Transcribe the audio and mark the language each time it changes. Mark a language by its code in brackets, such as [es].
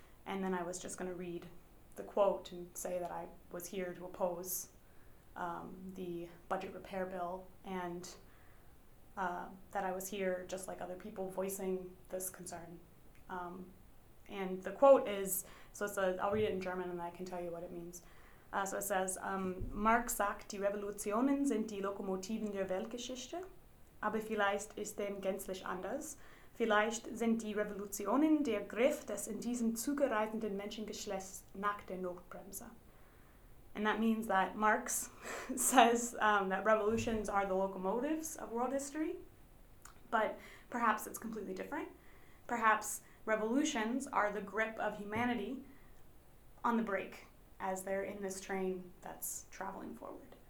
[en] And then I was just going to read the quote and say that I was here to oppose the budget repair bill, and that I was here just like other people voicing this concern. And the quote is, I'll read it in German and then I can tell you what it means. So it says, [de] Marx sagt, die Revolutionen sind die Lokomotiven der Weltgeschichte, aber vielleicht ist dem gänzlich anders. Vielleicht sind die Revolutionen der Griff des in diesem Zuge reitenden Menschengeschlechts nach der Notbremse. [en] And that means that Marx says that revolutions are the locomotives of world history, but perhaps it's completely different. Perhaps revolutions are the grip of humanity on the brake as they're in this train that's traveling forward.